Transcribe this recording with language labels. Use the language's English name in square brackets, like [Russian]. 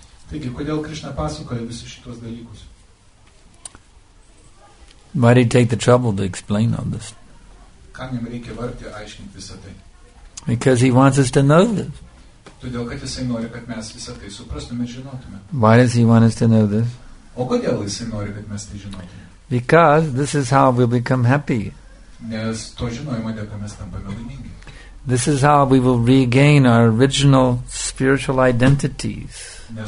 [Lithuanian] Taigi, kodėl Krishna pasakoja visus šitos dalykus? [English] Why did he take the trouble to explain all this? [Lithuanian] Kam jam reikia vargti aiškinti visą tai? [English] Because he wants us to know this. [Lithuanian] Todėl, kad jisai nori, kad mes visą tai suprastume ir žinotume. [English] Why does he want us to know this? [Lithuanian] O kodėl jisai nori, kad mes tai žinotume? [English] Because this is how we become happy. [Lithuanian] Nes to žinojimo dėka mes tampame laimingi. [English] This is how we will regain our original spiritual identities.